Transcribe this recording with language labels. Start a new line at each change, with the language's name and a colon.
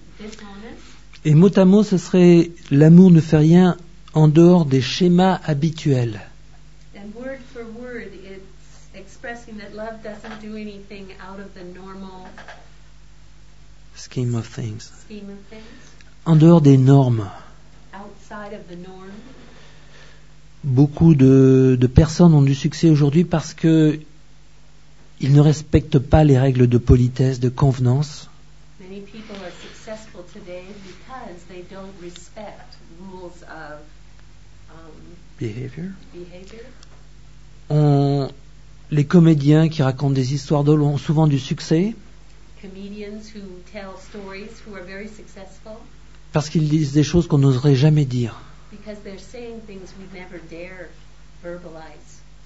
English: dishonest.
French: Et mot à mot, ce serait l'amour ne fait rien en dehors des schémas habituels.
English: And word for word, it's expressing that love doesn't do anything out of the normal scheme of things. Scheme of things.
French: En dehors des normes.
English: Outside of the norm.
French: Beaucoup de personnes ont du succès aujourd'hui parce que ils ne respectent pas les règles de politesse, de convenance.
English: Many people are successful today because they don't respect rules of behavior.
French: Les comédiens qui racontent des histoires drôles ont souvent du succès.
English: Comedians who tell stories who are very successful.
French: Parce qu'ils disent des choses qu'on n'oserait jamais dire.
English: Because they're saying things we'd never dare verbalize.